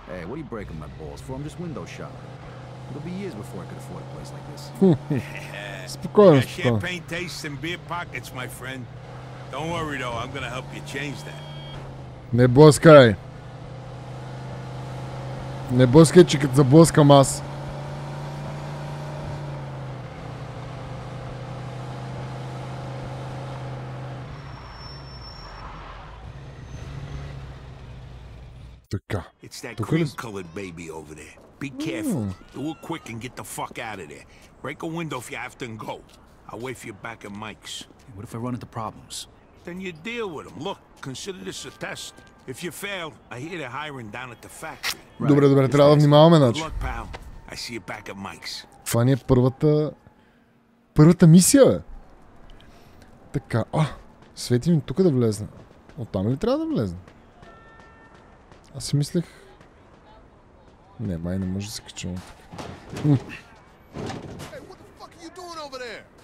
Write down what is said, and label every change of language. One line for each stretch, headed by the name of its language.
English: Hey, what are you breaking my balls for? I'm just window shopping. It'll be years before I could afford a place like this.
Bulgarian: Спокойно.
English: Champagne tastes and beer pockets, my friend. Don't worry though, I'm gonna help you change that.
Bulgarian: Не блъскай. Не блъскай, че като заблъскам аз.
English: It's that cream-colored baby over there. Be careful. Do it quick and get the fuck out of there. Break a window if you have to and go. I'll wait for you back at Mike's. Hey, what if I run into problems? Then you deal with them. Look, consider this a test. If you fail, I hear they're hiring down at the factory. Right.
Bulgarian: Добре, добре, трябва да внимаваме, значи.
English: Good luck, pal. I see you back at Mike's.
Bulgarian: Това ни е първата мисия, бе. Така, а, свети ми тук да влезна. Оттам ли трябва да влезна? Аз си мислех... Не, май не може да се качвам.
English: Hey, what the fuck are you doing over there?